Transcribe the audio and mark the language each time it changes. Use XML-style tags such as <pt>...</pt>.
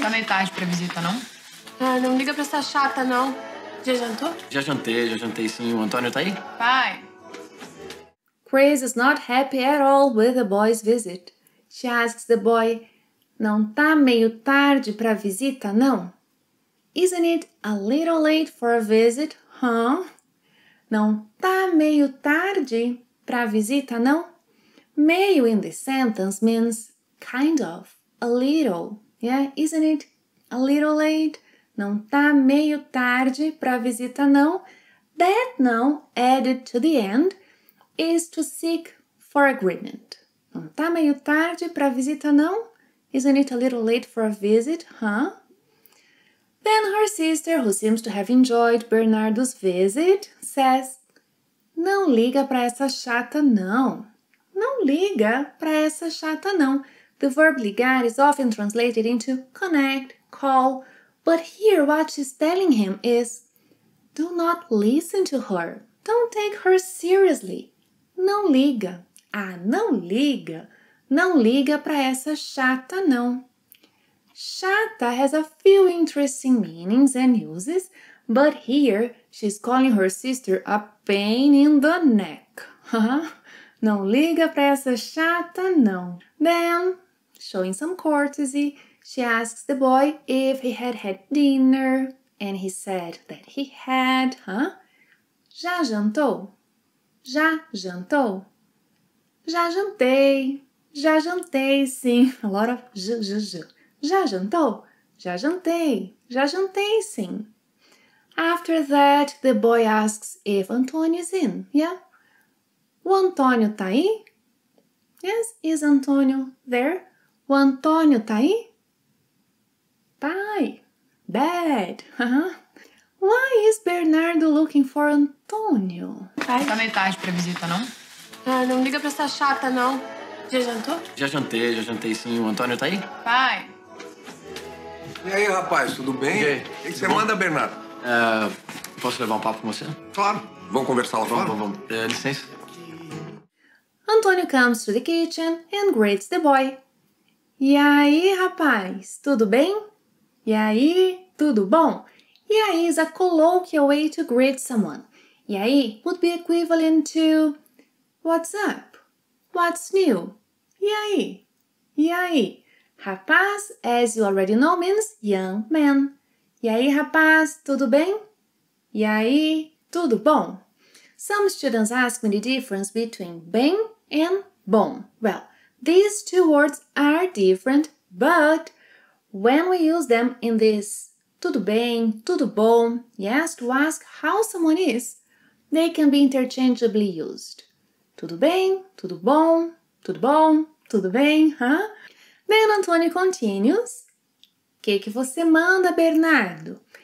<pt>Tá meio tarde pra visita, não? Ah, não liga pra essa chata, não. Já jantou? Já jantei sim. O Antônio tá aí? Pai.</pt> <en>Chris is not happy at all with the boy's visit. She asks the boy,</en> <pt>Não tá meio tarde pra visita, não?</pt> <en>Isn't it a little late for a visit, huh?</en> <pt>Não tá meio tarde? Pra visita, não?</pt> <en>Meio in this sentence means kind of, a little, yeah, isn't it? A little late.</en> <pt>Não tá meio tarde pra visita, não?</pt> <en>That não, added to the end, is to seek for agreement.</en> <pt>Não tá meio tarde pra visita, não?</pt> <en>Isn't it a little late for a visit, huh? Then her sister, who seems to have enjoyed Bernardo's visit, says,</en> <pt>Não liga pra essa chata, não. Não liga pra essa chata, não.</pt> <en>The verb ligar is often translated into connect, call. But here, what she's telling him is, Do not listen to her. Don't take her seriously.</en> <pt>Não liga. Ah, não liga. Não liga pra essa chata, não.</pt> <en>Chata has a few interesting meanings and uses, but here she's calling her sister a pain in the neck.</en> <pt>Não liga pra essa chata, não.</pt> <en>Then, showing some courtesy, she asks the boy if he had had dinner, and he said that he had, huh?</en> <pt>Já jantou? Já jantou? Já jantei. Já jantei, sim.</pt> <en>A lot of</en> <pt>j, j, j. Já jantou? Já jantei. Já jantei, sim.</pt> <en>After that, the boy asks if Antônio is in, yeah?</en> <pt>O Antônio tá aí?</pt> <en>Yes, is Antônio there?</en> <pt>O Antônio tá aí? Tá aí. Bad.</pt> <en>Why is Bernardo looking for Antônio?</en> <pt>Tá meio tarde pra visita, não? Ah, não liga pra essa chata, não. Já jantou? Já jantei, sim. O Antônio tá aí? Pai. E aí, rapaz, tudo bem? E aí? Você manda, Bernardo? Posso levar um papo com você? Claro. Vamos conversar lá fora? Vamos. Licença.</pt> <en>Antônio comes to the kitchen and greets the boy.</en> <pt>E aí, rapaz, tudo bem? E aí, tudo bom?</pt> <en>E aí is a colloquial way to greet someone. E aí would be equivalent to What's up? What's new? E aí? E aí? Rapaz, as you already know, means young man.</en> <pt>E aí, rapaz, tudo bem? E aí, tudo bom?</pt> <en>Some students ask me the difference between bem and bom. Well, these two words are different, but when we use them in this tudo bem, tudo bom, yes, to ask how someone is, they can be interchangeably used.</en> <pt>Tudo bem, tudo bom, tudo bem, huh?</pt> <en>Then Antônio continues.</en> <pt>Que você manda, Bernardo?</pt>